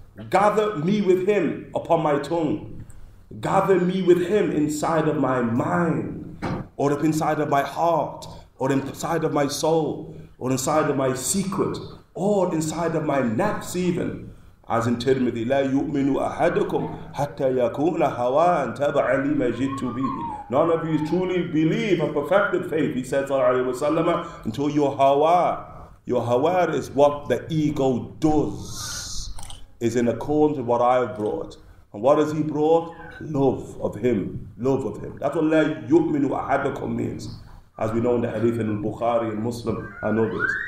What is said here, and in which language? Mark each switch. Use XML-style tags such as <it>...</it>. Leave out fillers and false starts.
<en>Gather me with him upon my tongue. Gather me with him inside of my mind, or up inside of my heart, or inside of my soul, or inside of my secret, or inside of my nafs even. As in Tirmidhi,</en> <ar>لا يؤمن أحدكم حتى يكون هواء تبع لي ما جئت به.</ar> <en>None of you truly believe a perfected faith, he said, sallallahu alayhi wa sallam, until your hawa is what the ego does, is in accordance with what I have brought. And what has he brought? Love of him. That's what la yu'minu ahadakum means, as we know in the hadith in al-Bukhari and Muslim and others.</en>